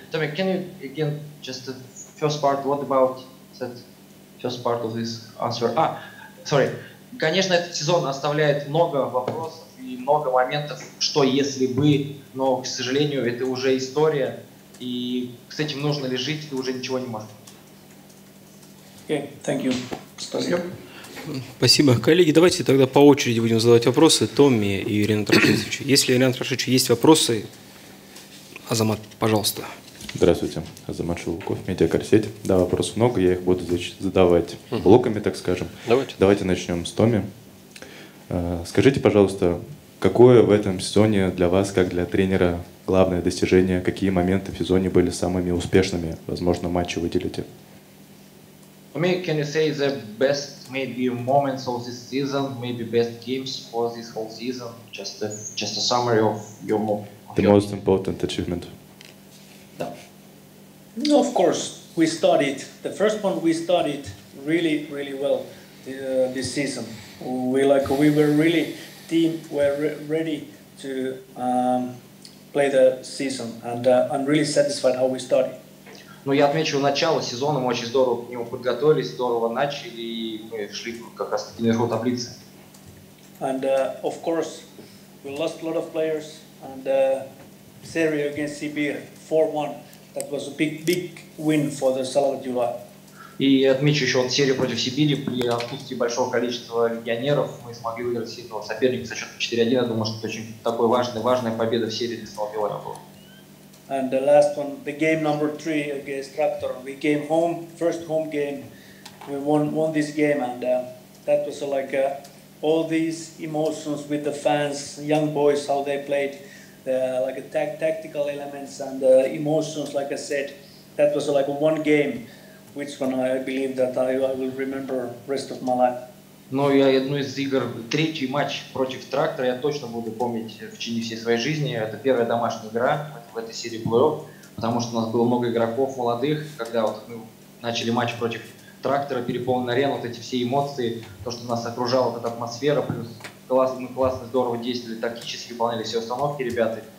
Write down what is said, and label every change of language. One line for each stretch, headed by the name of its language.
English: Tommy, can you, again, just the first part, what about that first part of this answer?
Russian: Конечно, этот сезон оставляет много вопросов, и много моментов, что если бы, но, к сожалению, это уже история, и с этим нужно ли жить, ты уже ничего не можешь.
English: Okay, thank you.
Russian: Спасибо. Коллеги, давайте тогда по очереди будем задавать вопросы Томми и Ренату Рашидовичу. Если, Ренат Рашидович, есть вопросы, Азамат, пожалуйста. Здравствуйте, Азамат Шелуков, Медиакорсеть. Да, вопросов много, я их буду задавать блоками, так скажем. Давайте начнем с Томми. Скажите, пожалуйста, какое в этом сезоне для вас, как для тренера, главное достижение? Какие моменты в сезоне были самыми успешными? Возможно, матчи выделите.
English: For me, can you say the best maybe moments of this season, maybe best games for this whole season? Just a summary of your moments. The most important achievement. No. No, of course, we started. The first one we started really, really well this season. We were really team were ready to play the season, and I'm really satisfied how we started.
Russian: Ну, я отмечу начало сезона, мы очень здорово к нему подготовились, здорово начали, и мы шли как раз таки наверху таблицы.
English: And of course, we lost a lot of players, and Serie against Sibir 4-1. That was a big, big win for the Salavat Yula.
Russian: И отмечу еще вот серию против Сибири. При отсутствии большого количества легионеров мы смогли выиграть сильного соперника со счетом 4-1. Я думаю, что это очень такой важный, важная победа в серии для Салавата Юлая была.
English: And the last one, the game number 3 against Raptor. We came home, first home game. We won this game, and that was like all these emotions with the fans, young boys, how they played, like tactical elements and emotions, like I said. That was like one game, which one I believe that I will remember rest of my life.
Russian: Но я одну из игр, третий матч против Трактора, я точно буду помнить в течение всей своей жизни. Это первая домашняя игра в этой серии плей-офф, потому что у нас было много игроков молодых. Когда вот мы начали матч против Трактора, переполненная арена, вот эти все эмоции, то, что нас окружала вот эта атмосфера, плюс классно, мы классно, здорово действовали, тактически выполняли все установки, ребята.